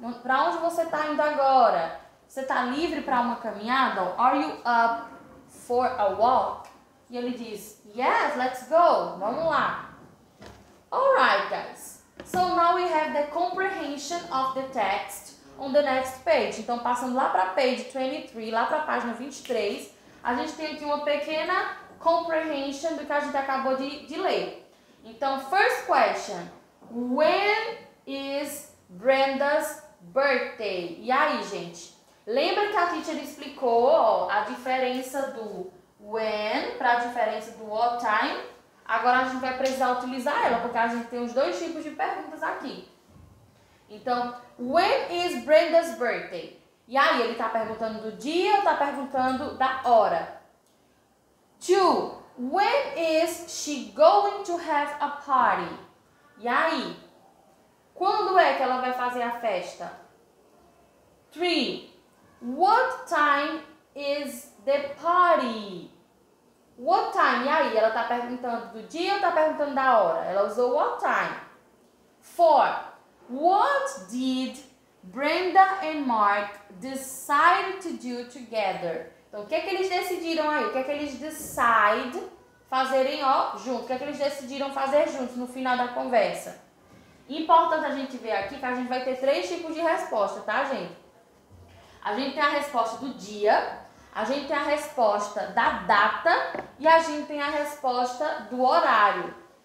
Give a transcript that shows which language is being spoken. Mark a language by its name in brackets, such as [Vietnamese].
[Portuguese] Pra onde você tá indo agora? Você tá livre pra uma caminhada? [English] Are you up for a walk? [Portuguese] E ele diz, [English] yes, let's go. [Portuguese] Vamos lá. [English] Alright, guys. So now we have the comprehension of the text on the next page. [Portuguese] Então, passando lá para a page 23, lá para a página 23, a gente tem aqui uma pequena comprehension do que a gente acabou de ler. [English] Então, first question. When is Brenda's birthday? [Portuguese] E aí, gente? Lembra que a teacher explicou, ó, a diferença do when para a diferença do [English] what time? [Portuguese] Agora a gente vai precisar utilizar ela, porque a gente tem os dois tipos de perguntas aqui. Então, [English] when is Brenda's birthday? [Portuguese] E aí, ele está perguntando do dia ou está perguntando da hora? [English] Two, when is she going to have a party? [Portuguese] E aí, quando é que ela vai fazer a festa? [English] Three, what time is the party? What time? [Portuguese] E aí, ela tá perguntando do dia ou tá perguntando da hora? Ela usou [English] what time. [Portuguese] 4. [English] What did Brenda and Mark decide to do together? [Portuguese] Então, o que é que eles decidiram aí? O que é que eles decide fazerem, ó, juntos? O que é que eles decidiram fazer juntos no final da conversa? Importante a gente ver aqui que a gente vai ter três tipos de resposta, tá, gente? A gente tem a resposta do dia, a gente tem a resposta da data e a gente tem a resposta do horário.